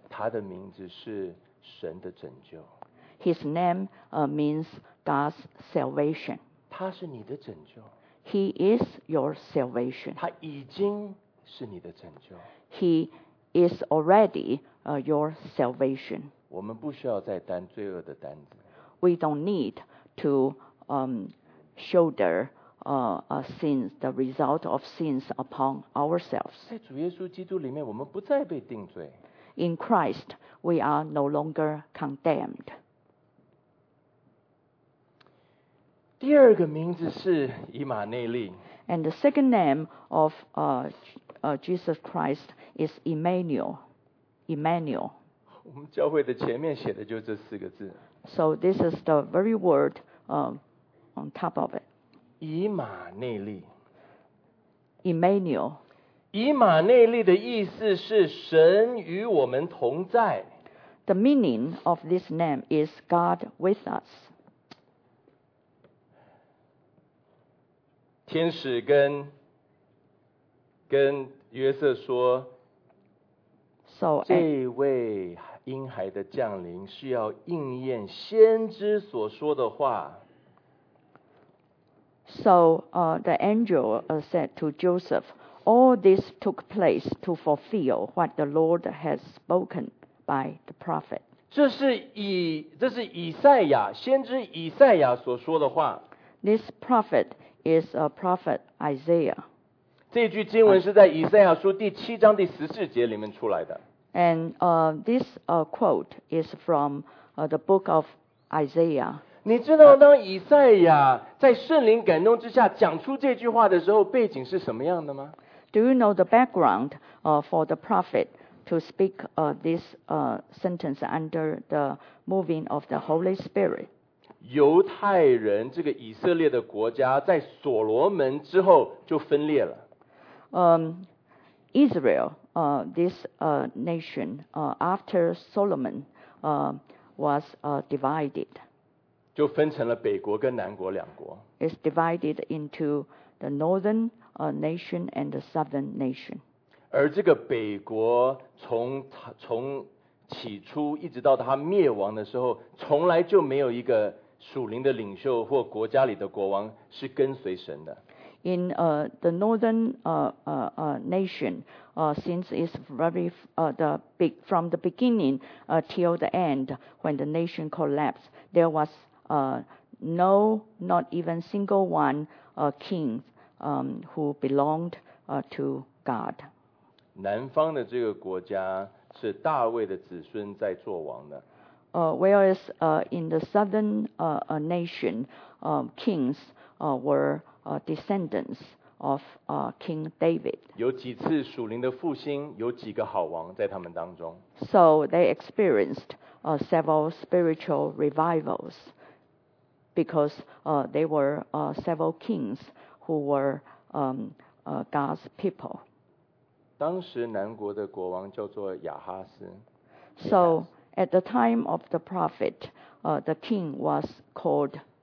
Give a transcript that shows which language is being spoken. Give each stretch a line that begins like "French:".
Chinese: 他的名字是神的拯救。
English: His name means God's salvation.
Chinese: 他是你的拯救。
English: He is your salvation.
Chinese: 他已经是你的拯救。
English: He is already your salvation.
Chinese: 我们不需要再担罪恶的担子。
English: We don't need to shoulder sins, the result of sins upon ourselves.
Chinese: 在主耶稣基督里面，我们不再被定罪。
English: In Christ, we are no longer condemned.
Chinese: 第二个名字是以马内利。
English: And the second name of Jesus Christ is Emmanuel. Emmanuel.
Chinese: 我们教会的前面写的就是这四个字。
English: So this is the very word on top of it.
Chinese: 以马内利。
English: Emmanuel.
Chinese: 以马内利的意思是神与我们同在。
English: The meaning of this name is God with us.
Chinese: 天使跟约瑟说
English: So,
Chinese: 这位婴孩的降临是要应验先知所说的话。
English: So, the angel said to Joseph, all this took place to fulfill what the Lord has spoken by the prophet.
Chinese: 这是以赛亚，先知以赛亚所说的话。
English: This prophet is a prophet Isaiah.
Chinese: 这句经文是在以赛亚书第七章第十四节里面出来的。
English: And this quote is from the book of Isaiah.
Chinese: 你知道当以赛亚在圣灵感动之下讲出这句话的时候，背景是什么样的吗？
English: Do you know the background for the prophet to speak this sentence under the moving of the Holy Spirit?
Chinese: 犹太人这个以色列的国家在所罗门之后就分裂了。
English: Israel. This nation after Solomon was divided.
Chinese: 就分成了北国跟南国两国。
English: It's divided into the northern nation and the southern nation.
Chinese: 而这个北国从起初一直到它灭亡的时候，从来就没有一个属灵的领袖或国家里的国王是跟随神的。
English: In the northern nation, since it's very from the beginning till the end, when the nation collapsed, there was not even single one king who belonged to God.
Chinese: 南方的这个国家是大卫的子孙在作王的。
English: Whereas in the southern nation, kings were descendants of King David.
Chinese: 有几次属灵的复兴，有几个好王在他们当中。
English: So they experienced several spiritual revivals because they were several kings who were God's people.
Chinese: 当时南国的国王叫做亚哈斯。
English: So at the time of the prophet, the king was called